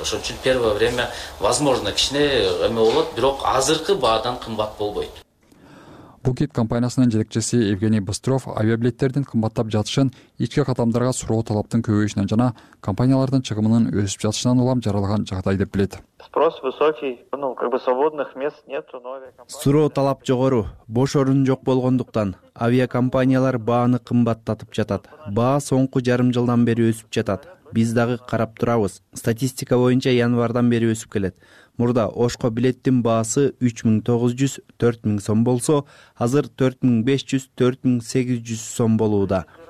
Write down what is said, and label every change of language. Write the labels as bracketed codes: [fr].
[ky] Ошон үчүн [ru] первое время [ky] возможно кичине эме болот, бирок азыркы баадан кымбат болбойт. Букет компаниясынын жетекчиси Евгений Быстров авиабилеттердин кымбаттап жатышын ички каттамдарга суроо талаптын көбөйүшүнөн жана компаниялардын чыгымынын өсүп жатышынан улам жаралган жагдай деп билет. [ru] Спрос высокий, свободных мест нету, но авиакомпания. [ky] Суроо талап жогору, бош орун жок болгондуктан авиакомпаниялар бааны кымбаттатып жатат. Баа соңку жарым жылдан бери өсүп жатат. Биз дагы карап турабыз. Статистика боюнча январдан бери өсүп келет. Мурда ошко билеттин баасы 3900-4000 сом болсо, азыр 4500-4800 сом болууда.